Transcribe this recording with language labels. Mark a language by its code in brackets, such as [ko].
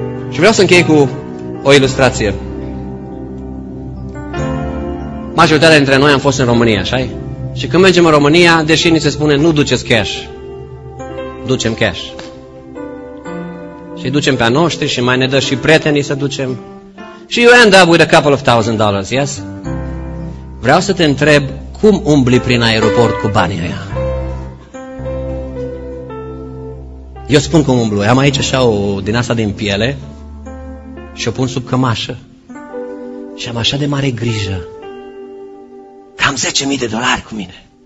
[ro] Și vreau să închei cu o ilustrație. Majoritatea dintre noi am fost în România, așa-i? Și când mergem în România, deși ni se spune nu duceți cash, ducem cash. Și ducem pe a noștri și mai ne dă și prietenii să ducem. [en] Și you end up with a couple of thousand dollars, yes? [ro] Vreau să te întreb, cum umbli prin aeroport cu banii ăia? Eu spun cum umblu. Am aici așa o din asta din piele și o pun sub cămașă. Și am așa de mare grijă. Cam 10.000 de dolari cu mine.